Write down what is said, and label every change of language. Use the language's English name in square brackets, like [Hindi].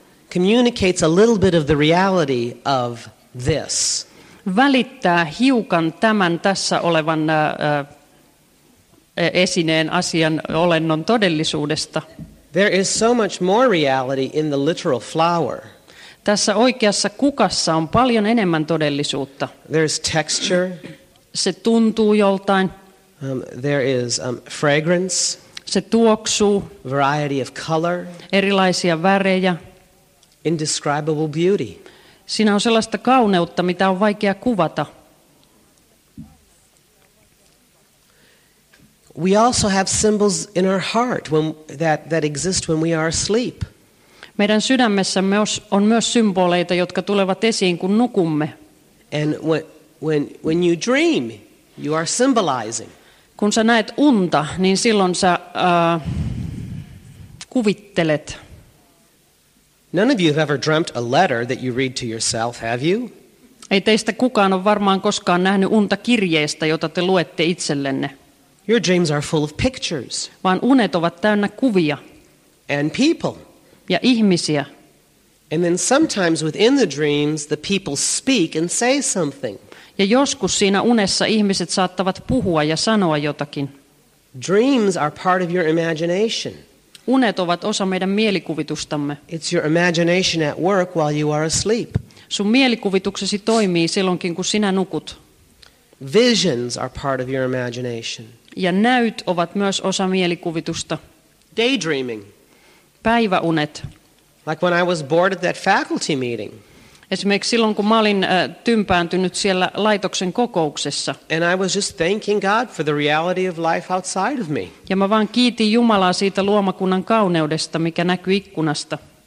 [English] communicates a little bit of the reality of this. [Finnish] Välittää hiukan tämän tässä olevan esineen asian olennon todellisuudesta. [English] There is so much more reality in the literal flower. [Finnish] Tässä oikeassa kukassa on paljon enemmän todellisuutta. [English] There is texture. [Finnish] Se tuntuu joltain. [English] There is fragrance. [Finnish] Se tuoksuu. [English] Variety of color. [Finnish] Erilaisia värejä. [English] Indescribable beauty. [Finnish] Siinä on sellaista kauneutta, mitä on vaikea kuvata. [English] We also have symbols in our heart that exist when we are asleep. [Finnish] Meidän sydämessämme on myös symboleita, jotka tulevat esiin, kun nukumme. [English] And when you dream, you are symbolizing. [Finnish] Kun sä näet unta, niin silloin sä kuvittelet. [English] None of you have ever dreamt a letter that you read to yourself, have you? [Finnish] Ei teistä kukaan ole varmaan koskaan nähnyt unta kirjeestä, jota te luette itsellenne. [English] Your dreams are full of pictures. [Finnish] Vaan unet ovat täynnä kuvia. [English] And people. [Finnish] Ja ihmisiä. [English] And then sometimes within the dreams the people speak and say something. [Finnish] Ja joskus siinä unessa ihmiset saattavat puhua ja sanoa jotakin. [English] Dreams are part of your imagination. [Finnish] Unet ovat osa meidän mielikuvitustamme. [English] It's your imagination at work while you are asleep. [Finnish] Sun mielikuvituksesi toimii silloinkin, kun sinä nukut. [English] Visions are part of your imagination. [Finnish] Ja näyt ovat myös osa mielikuvitusta. [English] Daydreaming. [Finnish] Päiväunet. [English] Like when I was bored at that faculty meeting. [Finnish] Esimerkiksi silloin, kun mä olin tympääntynyt siellä laitoksen kokouksessa. [English] And I was just thanking God for the reality of life outside of me. [Finnish] Ja mä vaan kiitin Jumalaa siitä luomakunnan kauneudesta, mikä näkyi ikkunasta.